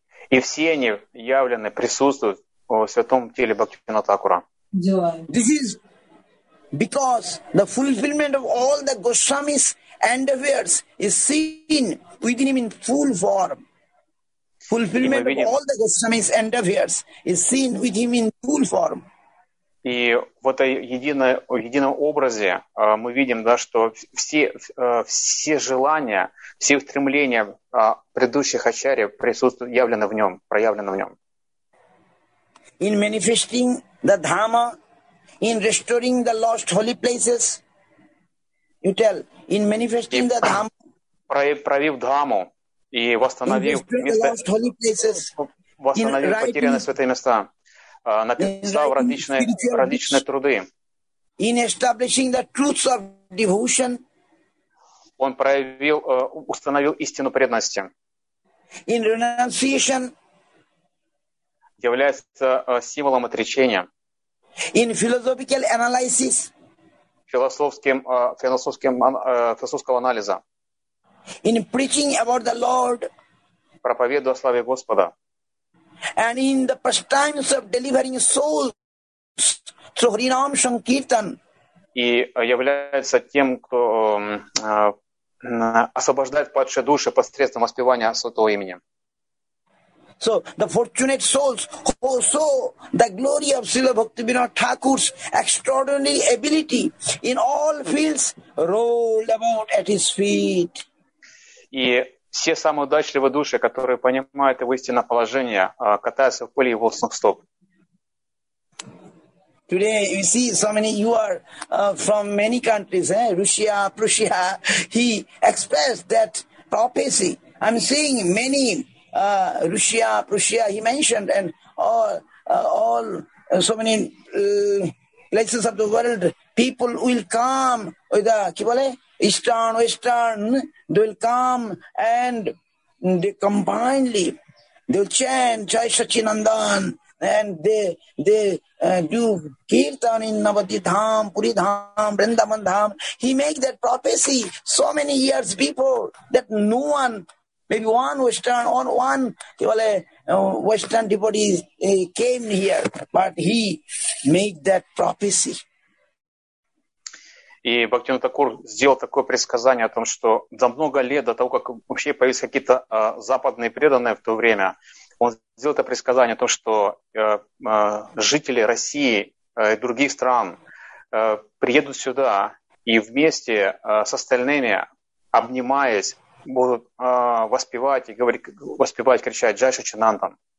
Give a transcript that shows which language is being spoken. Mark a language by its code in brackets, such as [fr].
[ru] И все они явлены, присутствуют в святом теле Бхактивинода Такура. [en] This is because the fulfillment of all the Goswami's endeavors is seen within him in full form. Fulfillment of all the Goswami's endeavors is seen with him in full form. [ru] И в этой едином образе мы видим, да, что все желания, все стремления предыдущих ачарьев присутствуют, явлены в нем, проявлены в нем. [en] In manifesting the dhamma, in restoring the lost holy places, you tell, in manifesting the dhamma, [ru] проявив дхамму и восстановив потерянные святые места. Написал различные труды. [en] In establishing the truths of devotion, [ru] он проявил, установил истину преданности. [en] In renunciation, [ru] является символом отречения. [en] In philosophical analysis, [ru] философского анализа. [en] In preaching about the Lord, [ru] проповедуя о славе Господа. [en] And in the pastimes of delivering souls through Harinam Sankirtan. [ru] И является тем, кто освобождает падшие души посредством воспевания святого имени. [en] So the fortunate souls who saw the glory of Srila Bhaktivinoda Thakur's extraordinary ability in all fields rolled about at his feet. [ru] И все самые удачливые души, которые понимают его истинное положение, катаются в пыли его стоп. [en] Today you see so many, you are from many countries, eh? Russia, Prussia. He expressed that prophecy. I'm seeing many Russia, Prussia. He mentioned and all so many places of the world. People will come with the kibale. Eastern, Western, they will come and they combinedly, they will chant Jai Sachinandan and they do Kirtan in Navadvip Dham, Puri Dham, Vrindavan Dham. He makes that prophecy so many years before that no one, maybe one Western or one Western devotee came here, but he made that prophecy. [ru] И Бхактивинода Такур сделал такое предсказание о том, что за много лет до того, как вообще появились какие-то западные преданные в то время, он сделал это предсказание о том, что жители России и других стран приедут сюда и вместе с остальными, обнимаясь, будут воспевать и говорить, воспевать, кричать «Джай Шачинандан».